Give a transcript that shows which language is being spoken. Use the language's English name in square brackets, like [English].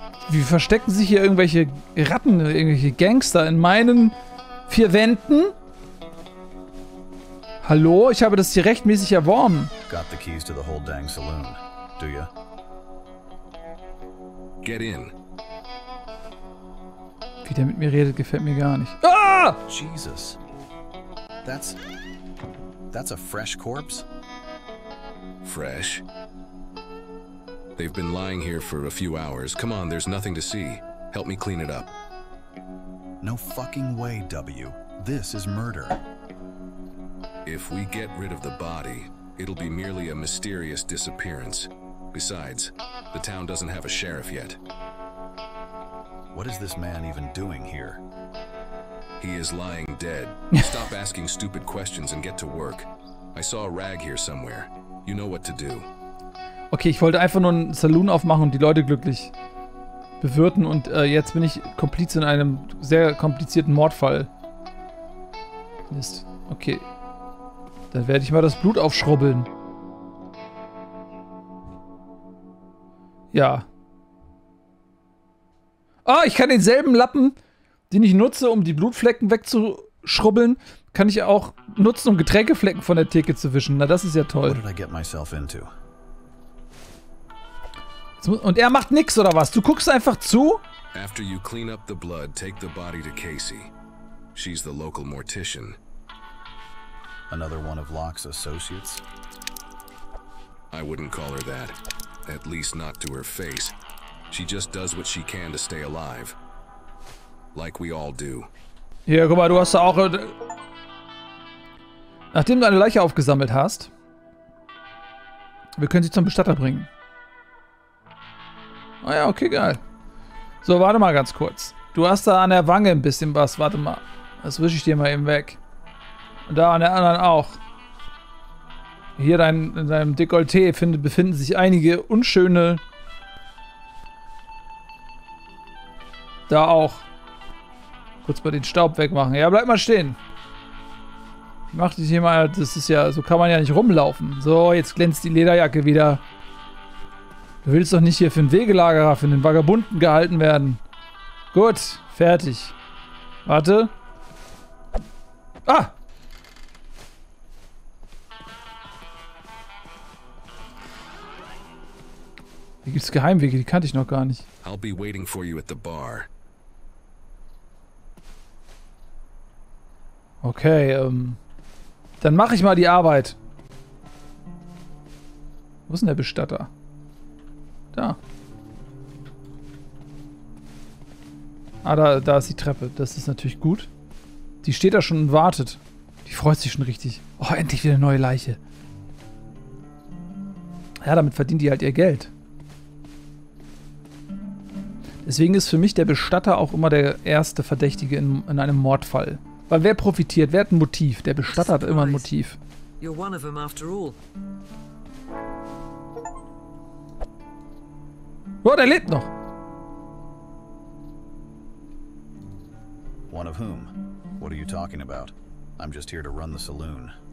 [German] Wie verstecken sich hier irgendwelche Ratten, irgendwelche Gangster in meinen vier Wänden? Hallo? Ich habe das hier rechtmäßig erworben. [English] Got the keys to the whole dang saloon, do you? Get in. [German] Wie der mit mir redet, gefällt mir gar nicht. Ah! [English] Jesus. That's a fresh corpse? Fresh? They've been lying here for a few hours. Come on, there's nothing to see. Help me clean it up. No fucking way, W. This is murder. If we get rid of the body, it'll be merely a mysterious disappearance. Besides, the town doesn't have a sheriff yet. What is this man even doing here? He is lying dead. Stop asking stupid questions and get to work. I saw a rag here somewhere. You know what to do. [German] Okay, ich wollte einfach nur einen Saloon aufmachen und die Leute glücklich bewirten und jetzt bin ich Komplize in einem sehr komplizierten Mordfall. Mist. Okay. Dann werde ich mal das Blut aufschrubbeln. Ja. Ah, ich kann denselben Lappen, den ich nutze, um die Blutflecken wegzuschrubbeln, kann ich auch nutzen, um Getränkeflecken von der Theke zu wischen. Na, das ist ja toll. [English] What did I get myself into? [German] Und er macht nix, oder was? Du guckst einfach zu? [English] After you clean up the blood, take the body to Casey. She's the local mortician. Another one of Locke's associates? I wouldn't call her that. At least not to her face. She just does what she can to stay alive. Like we all do. [German] Hier, guck mal, du hast auch... Nachdem du eine Leiche aufgesammelt hast, wir können sie zum Bestatter bringen. Ah ja, okay, geil. So, warte mal ganz kurz. Du hast da an der Wange ein bisschen was. Warte mal. Das wische ich dir mal eben weg. Und da an der anderen auch. Hier in deinem Dekolleté befinden sich einige unschöne. Da auch. Kurz mal den Staub wegmachen. Ja, bleib mal stehen. Mach dich hier mal. Das ist ja. So kann man ja nicht rumlaufen. So, jetzt glänzt die Lederjacke wieder. Du willst doch nicht hier für einen Wegelagerer, für den Vagabunden gehalten werden. Gut, fertig. Warte. Ah! Hier gibt's Geheimwege, die kannte ich noch gar nicht. [English] I'll be waiting for you at the bar. [German] Okay, dann mach ich mal die Arbeit. Wo ist denn der Bestatter? Da. Ah, da ist die Treppe. Das ist natürlich gut. Die steht da schon und wartet. Die freut sich schon richtig. Oh, endlich wieder eine neue Leiche. Ja, damit verdient die halt ihr Geld. Deswegen ist für mich der Bestatter auch immer der erste Verdächtige in einem Mordfall. Weil wer profitiert? Wer hat ein Motiv? Der Bestatter hat immer ein Motiv. [English] You're one of them after all. [German] Oh, der lebt noch. [English] One of whom? What are you talking about? I'm just here to run the saloon.